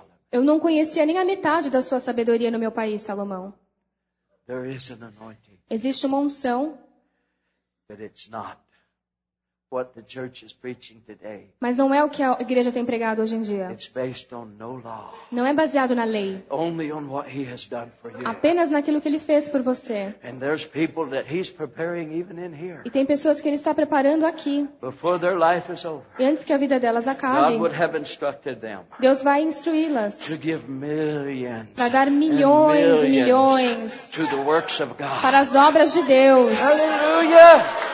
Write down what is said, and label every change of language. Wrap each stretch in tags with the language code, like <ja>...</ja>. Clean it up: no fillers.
<pt>Eu não conhecia nem a metade da sua sabedoria no meu país, Salomão.</pt> <en>There is an anointing.</en> <pt>Existe uma unção.</pt> <en>But it's not what the church is preaching today.</en> <pt>Mas não é o que a igreja tem pregado hoje em dia.</pt> <en>It's based on no law.</en> <pt>Não é baseado na lei.</pt> <en>Only on what he has done for you.</en> <pt>Apenas naquilo que ele fez por você.</pt> <en>And there's people that he's preparing even in here.</en> <pt>E tem pessoas que ele está preparando aqui.</pt> <en>Before their life is over.</en> <pt>Antes que a vida delas acabe.</pt> <en>God would have instructed them.</en> <pt>Deus vai instruí-las.</pt> <en>To give millions.</en> <pt>Para dar milhões e milhões.</pt> <en>To the works of God.</en> <pt>Para as obras de Deus. Aleluia.</pt>